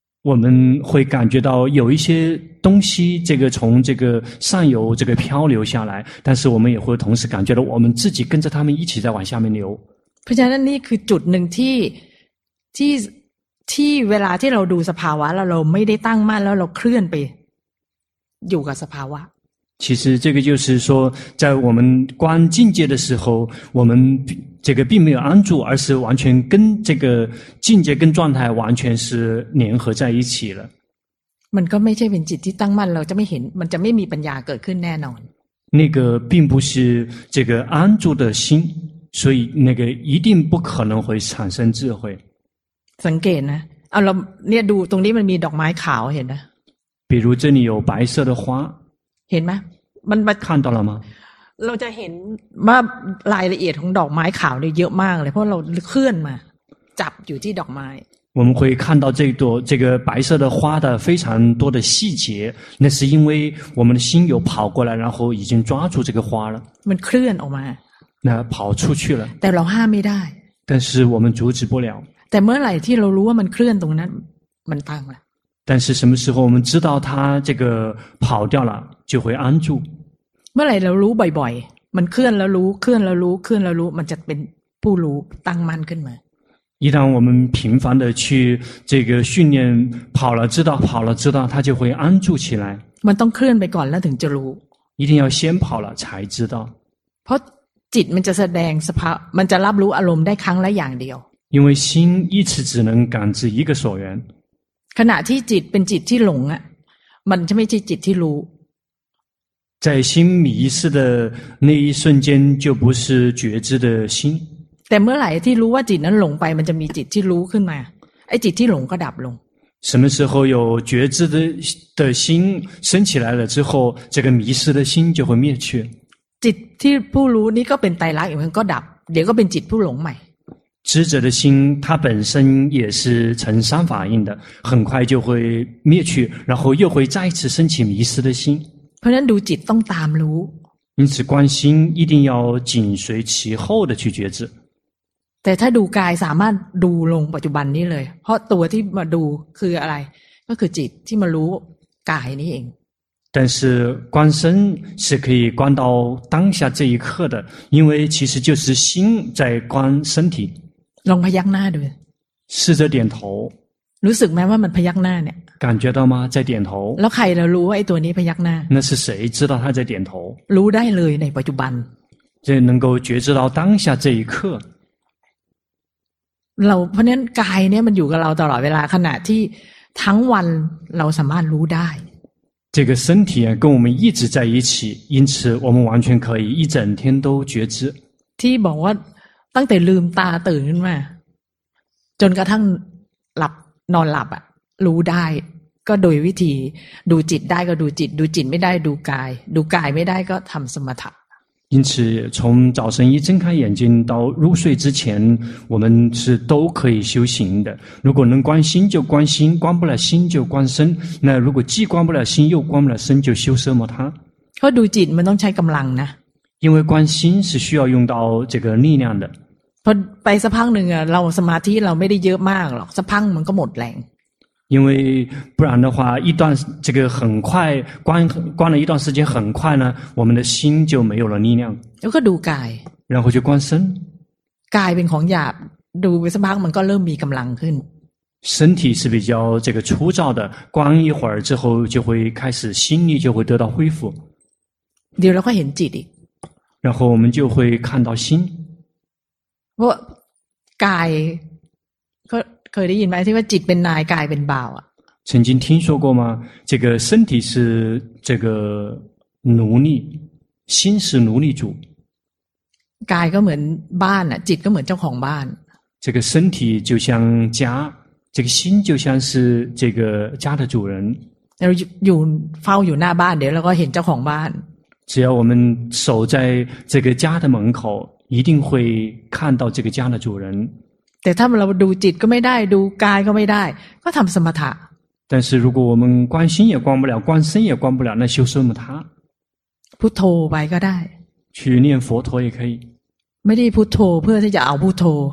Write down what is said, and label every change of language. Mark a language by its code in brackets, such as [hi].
[zh] 我们会感觉到有一些东西这个从这个上游这个漂流下来但是我们也会同时感觉到我们自己跟着他们一起在往下面流 [th] เพราะฉะนั้นนี่คือจุดหนึ่งที่เวลาที่เราดูสภาวะแล้วเราไม่ได้ตั้งมั่นแล้วเราเคลื่อนไปอยู่กับสภาวะ [zh] 其实这个就是说在我们观境界的时候我们这个并没有安住，而是完全跟这个境界跟状态完全是联合在一起了。 [th] มันก็ไม่ใช่เป็นจิตที่ตั้งมั่นเราจะไม่เห็นมันจะไม่มีปัญญาเกิดขึ้นแน่นอน。 [zh] 那个并不是这个安住的心，所以那个一定不可能会产生智慧。 [th] สังเกตนะเอาเราเนี่ยดูตรงนี้มันมีดอกไม้ขาวเห็นไหม？ [zh] 比如这里有白色的花。 [th] เห็นไหม？ มัน [zh] 看到了吗？ [th] เราจะเห็นว่ารายละเอียดของดอกไม้ขาวเนี่ยเยอะมากเลยเพราะเราเคลื่อนมาจับอยู่ที่ดอกไม้ [zh] 我们会看到这朵这个白色的花的非常多的细节那是因为我们的心有跑过来然后已经抓住这个花了 [th] มันเคลื่อนออกมา [zh] 那跑出去了 [th] แต่เราห้ามไม่ได้ [zh] 但是我们阻止不了 [th] แต่เมื่อไหร่ที่เรารู้ว่ามันเคลื่อนตรงนั้นมันตั้งละ [zh] 但是什么时候我们知道它这个跑掉了就会安住 [th] เมื่อไหร่เรารู้บ่อยๆมันเคลื่อนแล้วรู้เคลื่อนแล้วรู้เคลื่อนแล้วรู้มันจะเป็นผู้รู้ตั้งมั่นขึ้นมา [zh] 一旦我们频繁的去这个训练跑了知道跑了知道它就会安住起来 [th] มันต้องเคลื่อนไปก่อนแล้วถึงจะรู้ [zh] 一定要先跑了才知道 [th] เพราะจิตมันจะแสดงสภาพมันจะรับรู้อารมณ์ได้ครั้งละอย่างเดียว [zh] 因为心一次只能感知一个所缘 [th] ขณะที่จิตเป็นจิตที่หลงอ่ะมันจะไม่ใช่จิตที่รู้ [zh] 在心迷失的那一瞬间就不是觉知的心 [th] แต่เมื่อไหร่ที่รู้ว่าจิตนั้นหลงไปมันจะมีจิตที่รู้ขึ้นมาไอ้จิตที่หลงก็ดับลง [zh] 什么时候有觉知 的心升起来了之后这个迷失的心就会灭去 [th] จิตที่ผู้รู้นี่ก็เป็นไตรลักษณ์อีกมันก็ดับเดี๋ยวก็เป็นจิตผู้หลงใหม่ [zh] 知者的心它本身也是成三法印的很快就会灭去然后又会再次升起迷失的心 [th] เพราะนั้นดูจิตต้องตามรู้ [zh] 因此观心一定要紧随其后的去觉知 [th] แต่ถ้าดูกายสามารถดูลงปัจจุบันนี้เลยเพราะตัวที่มาดูคืออะไรก็คือจิตที่มารู้กายนี้เอง [zh] 但是观身是可以观到当下这一刻的因为其实就是心在观身体 [th] ลองพยักหน้าดู [zh] 试着点头 [th] รู้สึกไหมว่ามันพยักหน้าเนี่ย [zh] 感觉到吗在点头 [th] แล้วใครเรารู้ว่าไอ้ตัวนี้พยักหน้า [zh] 那是谁知道他在点头 [th] รู้ได้เลยในปัจจุบัน [zh] 这能够觉知到当下这一刻 [th] เราเพราะนั้นกายเนี่ยมันอยู่กับเราตลอดเวลาขณะที่ทั้งวันเราสามารถรู้ได้ [zh] 这个身体啊跟我们一直在一起因此我们完全可以一整天都觉知 [th] ที่บอกว่าตั้งแต่ลืมตาตื่นขึ้นมาจนกระทั่งหลับนอนหลับอ่ะรู้ได้ก็โดยวิธีดูจิตได้ก็ดูจิตดูจิตไม่ได้ดูกายดูกายไม่ได้ก็ทำสมถะ [zh] 因此从早晨一睁开眼睛到入睡之前我们是都可以修行的如果能观心就观心观不了心就观身那如果既观不了心又观不了身就修奢摩他 [th] เพราะดูจิตมันต้องใช้กำลังนะ [zh] 因为观心是需要用到这个力量的 [th] พอไปสักพักหนึ่งเราสมาธิเราไม่ได้เยอะมากหรอกสักพักมันก็หมดแรง [zh] 因为不然的话一段这个很快关了一段时间很快呢我们的心就没有了力量 [th] แล้วก็ดูกาย แล้วก็จะ [zh] 观身 [th] กายเป็นของหยาบดูไปสักพักมันก็เริ่มมีกำลังขึ้น [zh] 身体是比较这个粗糙的关一会儿之后就会开始心力就会得到恢复 [th] เดี๋ยวเราก็เห็นจิตอีก [zh] 然后我们就会看到心 [th] ว่ากายเคยได้ยินไหมที่ว่าจิตเป็นนายกายเป็นบ่าวอ่ะ [zh] 曾经听说过吗这个身体是这个奴隶心是奴隶主 [th] กายก็เหมือนบ้านอ่ะจิตก็เหมือนเจ้าของบ้าน [zh] 这个身体就像家这个心就像是这个家的主人 [th] เราอยู่เฝ้าอยู่หน้าบ้านเดี๋ยวเราก็เห็นเจ้าของบ้าน [zh] 只要我们守在这个家的门口一定会看到这个家的主人 [th] แต่ถ้าเราดูจิตก็ไม่ได้ดูกายก็ไม่ได้ก็ทำสมถะ [zh] 但是如果我们观心也观不了观身也观不了那修什么他 [th] พุทโธไปก็ได้ [zh] 去念佛陀也可以 [th] ไม่ได้พุทโธเพื่อที่จะเอาพุทโธ